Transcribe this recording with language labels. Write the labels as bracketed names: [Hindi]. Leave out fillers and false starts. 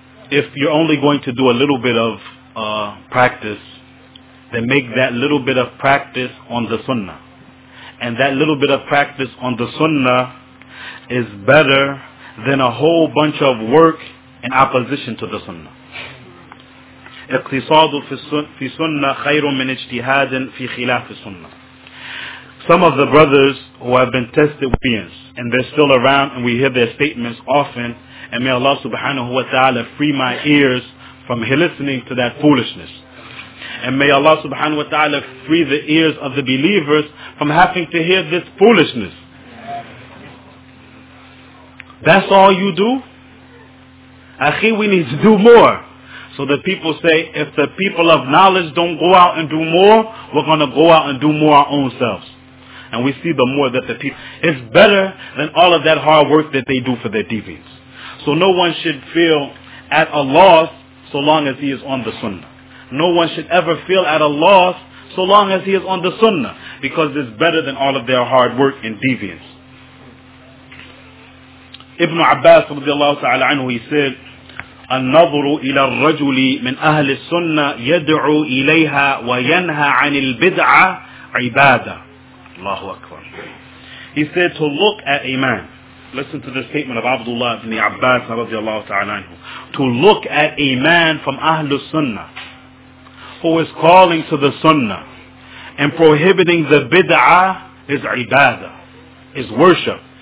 [English] if you're only going to do a little bit of practice, then make that little bit of practice on the sunnah. And that little bit of practice on the sunnah is better than a whole bunch of work in opposition to the sunnah. [Arabic] اقتصاد في سنة خير من اجتهاد في خلاف سنة. [English] Some of the brothers who have been tested with, and they're still around, and we hear their statements often, and may Allah subhanahu wa ta'ala free my ears from listening to that foolishness. And may Allah subhanahu wa ta'ala free the ears of the believers from having to hear this foolishness. That's all you do? Akhi, we need to do more. So the people say, if the people of knowledge don't go out and do more, we're going to go out and do more our own selves. And we see the more that the people... It's better than all of that hard work that they do for their deviance. So no one should feel at a loss so long as he is on the sunnah. No one should ever feel at a loss so long as he is on the sunnah. Because it's better than all of their hard work and deviance. Ibn Abbas radiallahu ta'ala anhu, he said, [Arabic] النظر إلى الرجل من أهل السنة يدعو إليها وينهى عن البدعة عبادة. الله أكبر. [English] He said to look at a man. Listen to the statement of Abdullah ibn Abbas رضي الله تعالى عنه. To look at a man from أهل السنة who is calling to the sunnah and prohibiting the بدعة is عبادة, is worship.